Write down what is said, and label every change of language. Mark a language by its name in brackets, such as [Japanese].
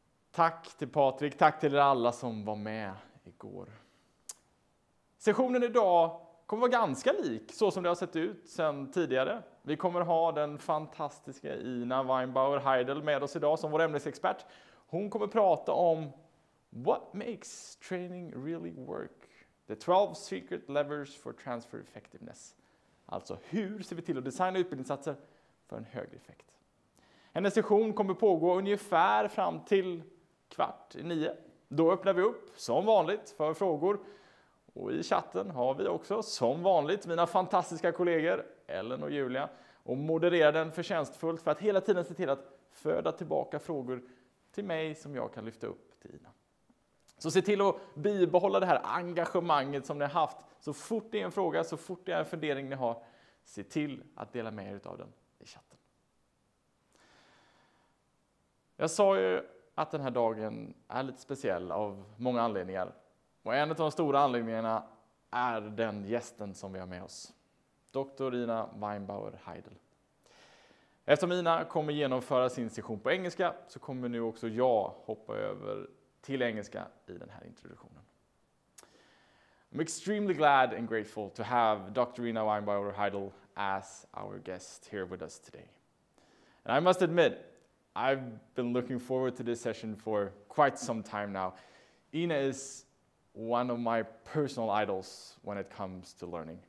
[Swedish] Tack till Patrik. Tack till er alla som var med igår. Sessionen idag kommer vara ganska lik så som det har sett ut sedan tidigare. Vi kommer ha den fantastiska Ina Weinbauer-Heidel med oss idag som vår ämnesexpert. Hon kommer prata om [English] what makes training really work. The 12 secret levers for transfer effectiveness. [Swedish] Alltså, hur ser vi till att designa utbildningsinsatser för en högre effekt? Hennes session kommer pågå ungefär fram till 8:45. Då öppnar vi upp, som vanligt, för frågor. Och i chatten har vi också, som vanligt, mina fantastiska kollegor Ellen och Julia. Och modererar den förtjänstfullt för att hela tiden se till att föda tillbaka frågor till mig som jag kan lyfta upp till Ina. Så se till att bibehålla det här engagemanget som ni har haft. Så fort det är en fråga, så fort det är en fundering ni har, se till att dela med er av den i chatten. Jag sa ju att den här dagen är lite speciell av många anledningar. Och en av de stora anledningarna är den gästen som vi har med oss. Dr. Ina Weinbauer-Heidel. Eftersom Ina kommer genomföra sin session på engelska, så kommer nu också jag hoppa över till engelska i den här introduktionen. [English] I'm extremely glad and grateful to have Dr. Ina Weinbauer-Heidel as our guest here with us today. And I must admit, I've been looking forward to this session for quite some time now. Ina is one of my personal idols when it comes to learning.